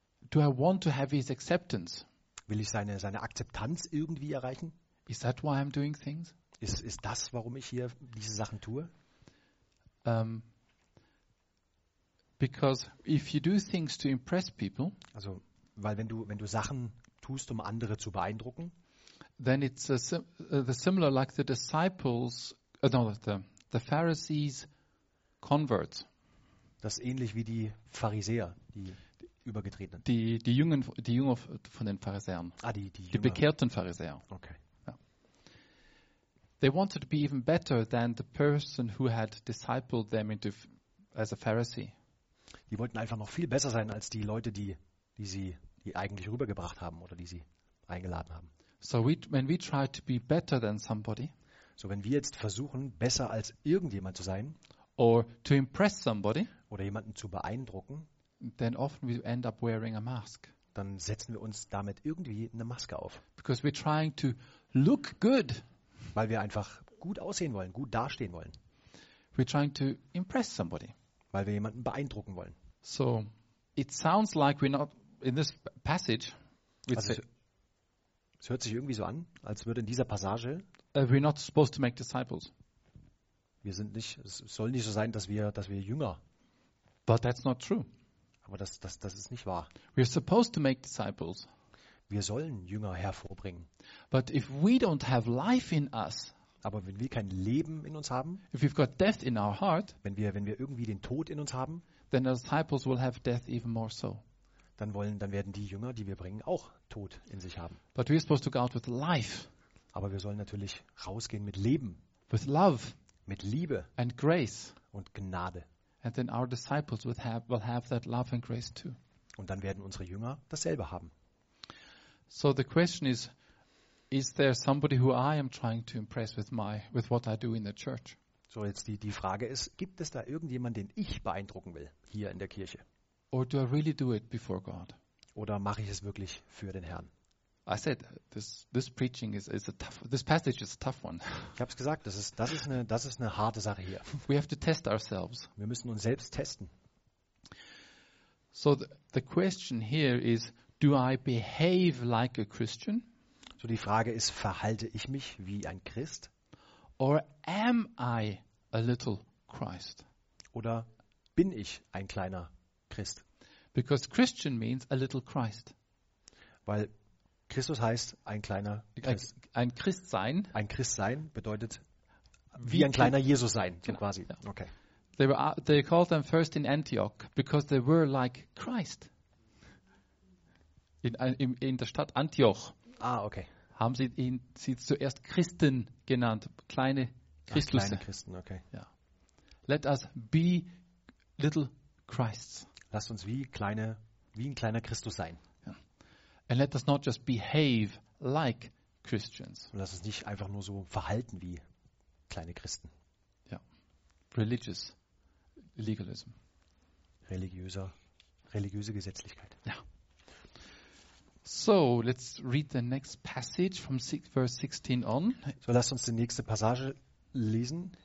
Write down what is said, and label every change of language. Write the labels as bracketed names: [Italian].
[English] Do I want to have his acceptance? [German] Will ich seine Akzeptanz irgendwie erreichen? [English] Is that why I'm doing things? [German] Ist das, warum ich hier diese Sachen tue? [English] Because if you do things to impress people, [German] also weil wenn du Sachen tust, um andere zu beeindrucken, [English] then it's the similar like the disciples, no, the Pharisees converts. [German] Das ähnlich wie die Pharisäer, die übergetretenen. Die Jünger von den Pharisäern. Die bekehrten Pharisäer. Okay. [English] They wanted to be even better than the person who had discipled them into as a Pharisee. [German] Die wollten einfach noch viel besser sein als die Leute, die eigentlich rübergebracht haben oder die sie eingeladen haben. [English] So when we try to be better than somebody, [German] so wenn wir jetzt versuchen, besser als irgendjemand zu sein, [English] or to impress somebody, [German] oder jemanden zu beeindrucken, [English] then often we end up wearing a mask. [German] Dann setzen wir uns damit irgendwie eine Maske auf. [English] Because we're trying to look good. [German] Weil wir einfach gut aussehen wollen, gut dastehen wollen. [English] We're trying to impress somebody. [German] Weil wir jemanden beeindrucken wollen. [English] So, it sounds like we're not in this passage. [German] Es hört sich irgendwie so an, als würde in dieser Passage. [English] We're not supposed to make disciples. [German] Wir sind nicht. Es soll nicht so sein, dass wir Jünger. [English] But that's not true. [German] Aber das ist nicht wahr. [English] We're supposed to make disciples. [German] Wir sollen Jünger hervorbringen. [English] But if we don't have life in us, [German] aber wenn wir kein Leben in uns haben, [English] if we've got death in our heart, [German] wenn wir irgendwie den Tod in uns haben, [English] then the disciples will have death even more so. [German] Dann werden die Jünger, die wir bringen, auch Tod in sich haben. [English] But we're supposed to go out with life. [German] Aber wir sollen natürlich rausgehen mit Leben. [English] With love. [German] Mit Liebe. [English] And grace. [German] Und Gnade. [English] And then our disciples will have that love and grace too. [German] Und dann werden unsere Jünger dasselbe haben. [English] So the question is there somebody who I am trying to impress with what I do in the church? [German] So jetzt die Frage ist, gibt es da irgendjemanden, den ich beeindrucken will hier in der Kirche? [English] Or do I really do it before God? [German] Oder mache ich es wirklich für den Herrn? [English] I said this preaching is a tough, this passage is a tough one. [German] Ich habe es gesagt, das ist eine harte Sache hier. [English] We have to test ourselves. [German] Wir müssen uns selbst testen. [English] So the question here is, do I behave like a Christian? [German] So die Frage ist, verhalte ich mich wie ein Christ? [English] Or am I a little Christ? [German] Oder bin ich ein kleiner Christ? [English] Because Christian means a little Christ. [German] Weil Christus heißt ein kleiner Christ. Ein Christ sein. Ein Christ sein bedeutet wie ein kleiner Jesus sein, so genau. Quasi. Ja. Okay. [English] They called them first in Antioch because they were like Christ. [German] In der Stadt Antioch haben sie zuerst Christen genannt, kleine Christusse. Kleine Christen, okay. Ja. [English] Let us be little Christs. [German] Lasst uns wie ein kleiner Christus sein. [English] Ja. And let us not just behave like Christians. [German] Und lasst uns nicht einfach nur so verhalten wie kleine Christen. [English] Ja. Religious legalism. [German] Religiöse Gesetzlichkeit. Ja. [English] So, let's read the next passage from verse 16 on. [German] So, lasst uns die nächste Passage lesen.